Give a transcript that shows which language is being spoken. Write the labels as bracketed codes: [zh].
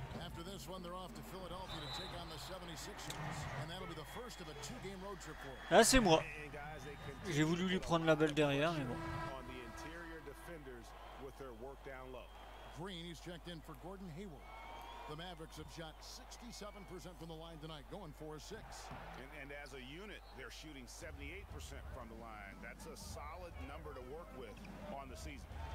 [en] After this one, they're off to Philadelphia to take on the 76ers. And that'll be the first of a two-game road trip for them. [fr] Ah, c'est moi. J'ai voulu lui prendre la balle derrière, mais bon. [en] On the interior defenders with their work down low. Green, he's checked in for Gordon Hayward. The Mavericks have shot 67% from the line tonight, going 4-6. And as a unit, they're shooting 78% from the line. That's a solid number to work with on the season.